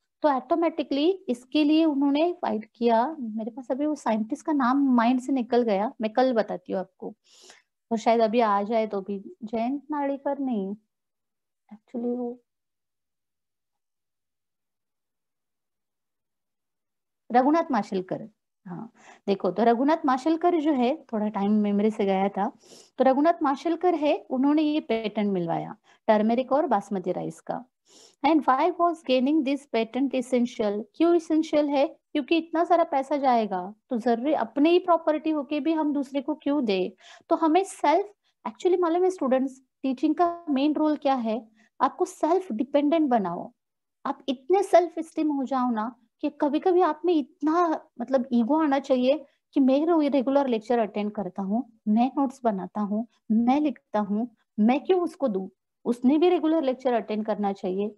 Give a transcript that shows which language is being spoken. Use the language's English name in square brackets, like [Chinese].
[Hindi] तो ऑटोमेटिकली इसके लिए उन्होंने फाइट किया, मेरे पास अभी वो साइंटिस्ट का नाम माइंड से निकल गया, मैं कल बताती हूँ आपको, और शायद अभी आ जाए तो भी, जयंत नाड़ेकर नहीं, एक्चुअली वो रघुनाथ माशेलकर। हाँ देखो, तो रघुनाथ माशेलकर जो है, थोड़ा टाइम मेमोरी से गया था, तो रघुनाथ माशेलकर है, उन्होंने ये पेटेंट मिलवाया टर्मेरिक और बासमती राइस का। [English] And why was gaining this patent essential? [Hindi] क्यों essential है? क्योंकि इतना सारा पैसा जाएगा तो जरूरी अपने ही प्रॉपर्टी होके भी हम दूसरे को क्यों दे? तो हमें सेल्फ, एक्चुअली मालूम है स्टूडेंट्स, टीचिंग का मेन रोल क्या है, आपको सेल्फ डिपेंडेंट बनाओ, आप इतने सेल्फ एस्टीम हो जाओ ना कि कभी कभी आप में इतना मतलब ईगो आना चाहिए कि मैं रेगुलर लेक्चर अटेंड करता हूँ, मैं नोट्स बनाता हूँ, मैं लिखता हूँ, मैं क्यों उसको दू, उसने भी रेगुलर लेक्चर अटेंड करना चाहिए।